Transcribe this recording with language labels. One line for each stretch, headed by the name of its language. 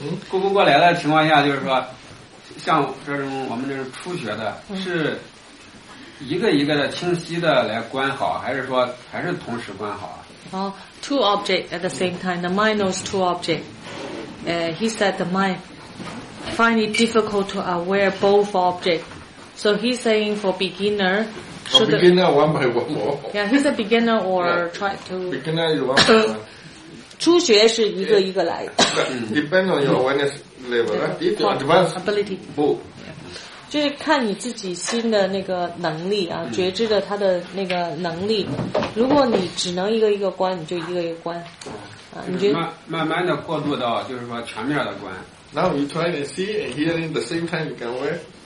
Chinese: 顾不过来的情况下，就是说像这种我们这种初学的是一个一个的清晰的来观好，还是说还是同时观好啊？
English: Two objects at the same time, the mind knows two objects. He said the mind find it difficult to aware both objects. So he's saying for beginner, should beginner one by one more. Yeah, he's a beginner or try to beginner is one by one.
Chinese: 初学是一个一个来。
English: Depend on your awareness level, right? Your advanced ability. Both.
Chinese: 就是看你自己心的那个能力啊，觉知的他的那个能力。如果你只能一个一个关，你就一个一个关。啊，你觉得慢慢的过渡到就是说全面的关。
English: Now you try to see and hear in the same time you can wear.